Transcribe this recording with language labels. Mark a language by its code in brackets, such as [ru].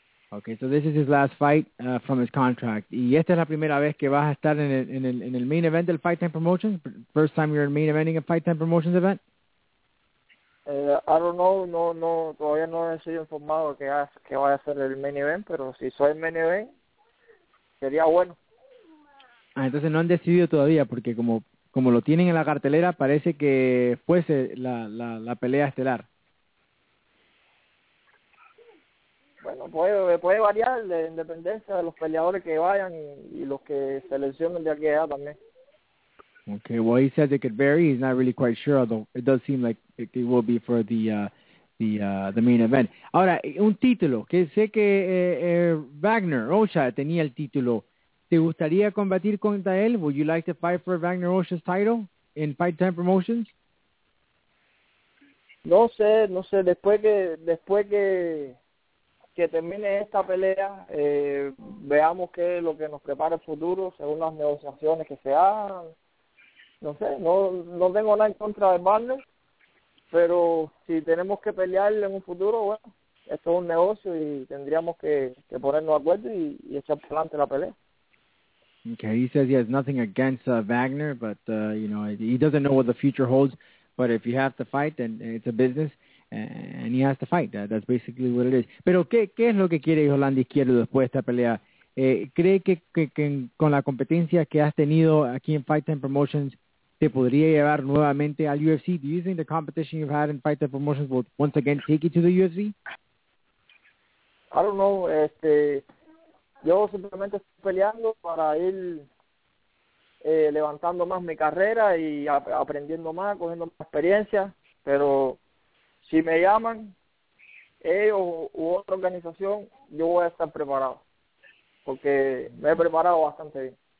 [en] Okay, so this is his last fight from his contract. [es] Y esta es la primera vez que vas a estar en el main event del Fight Time Promotions? [en] First time you're main eventing a Fight Time Promotions event? I don't know. [es] No, todavía no he sido informado que vaya a ser el main event, pero si soy el main event, sería bueno. Ah, entonces no han decidido todavía, porque como lo tienen en la cartelera, parece que fuese la pelea estelar. Bueno, puede variar de independencia de los peleadores que vayan y los que seleccionen de aquí allá también. [en] Okay, well, he says it could vary. He's not really quite sure, although it does seem like it will be for the main event. [es] Ahora, un título, que sé que Wagner Rocha tenía el título. ¿Te gustaría combatir contra él? [en] Would you like to fight for Wagner Rocha's title in Fight Time Promotions? [es] No sé. Después que termine esta pelea, veamos qué es lo que nos prepara el futuro según las negociaciones que se hagan. No tengo nada en contra de Barnes, pero si tenemos que pelear en un futuro, bueno, esto es un negocio y tendríamos que ponernos de acuerdo y echar para adelante la pelea. [en] Okay, he says he has nothing against Wagner, but he doesn't know what the future holds, but if you have to fight, then it's a business. And he has to fight. That's basically what it is. [es] Pero ¿qué es lo que quiere Yolanda Izquierdo después de esta pelea? ¿Cree que con la competencia que has tenido aquí en Fight Time Promotions te podría llevar nuevamente al UFC? [en] Do you think the competition you've had in Fight Time Promotions will once again take you to the UFC? I don't know. [es] Yo simplemente estoy peleando para ir levantando más mi carrera y aprendiendo más, cogiendo más experiencia, pero si me llaman ellos u otra organización, yo voy a estar preparado, porque me he preparado bastante bien.